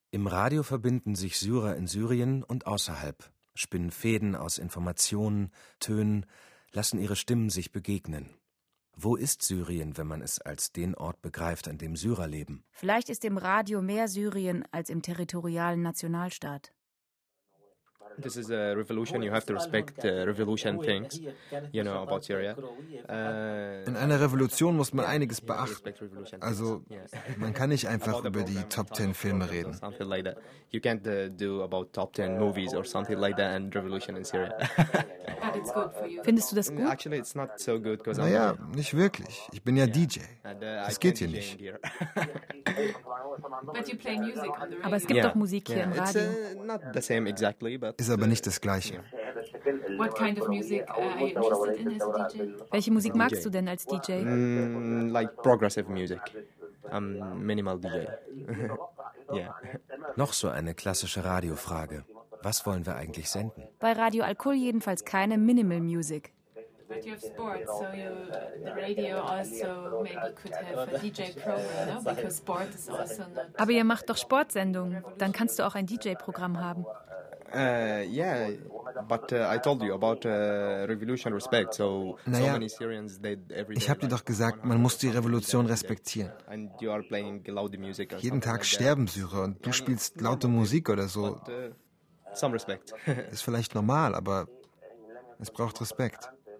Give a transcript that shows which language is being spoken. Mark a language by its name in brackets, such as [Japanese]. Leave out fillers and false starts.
[German] Im Radio verbinden sich Syrer in Syrien und außerhalb, spinnen Fäden aus Informationen, Tönen, lassen ihre Stimmen sich begegnen. Wo ist Syrien, wenn man es als den Ort begreift, an dem Syrer leben? Vielleicht ist im Radio mehr Syrien als im territorialen Nationalstaat. [English] This is a revolution. You have to respect the revolution things, you know, about Syria. [German] In einer Revolution muss man einiges beachten. Also, man kann nicht einfach über die Top 10 Filme reden. [English] Something like that. You can't do about Top 10 movies or something like that and revolution in Syria. It's good for you. [German] Findest du das gut? [English] Actually, it's not so good because [German] I'm. Naja, nicht wirklich. Ich bin ja DJ. Es geht hier nicht. [English] But you play music on the radio. [German] Aber es gibt doch Musik hier im Radio. [English] It's not the same exactly, but. [German] Ist aber nicht das Gleiche. [English] What kind of music are you interested in as a DJ? [German] Welche Musik magst du denn als DJ? [English] Like progressive music. I'm minimal DJ. Yeah. [German] Noch so eine klassische Radiofrage. Was wollen wir eigentlich senden? Bei Radio Al-Kul jedenfalls keine Minimal Music. [English] But you have sports, so the radio also maybe could have a DJ program, no? Because sport is also not. [German] Aber ihr macht doch Sportsendungen. Dann kannst du auch ein DJ-Programm haben. [English] Yeah, but I told you about revolution respect. So, [German] naja, [English] so many Syrians they every day. [German] Ich habe dir doch gesagt, man muss die Revolution respektieren. [English] And you are playing loud music. [German] Jeden Tag sterben Syrer und du spielst laute Musik oder so. [English] But, some respect. [German] Ist vielleicht normal, aber es braucht Respekt.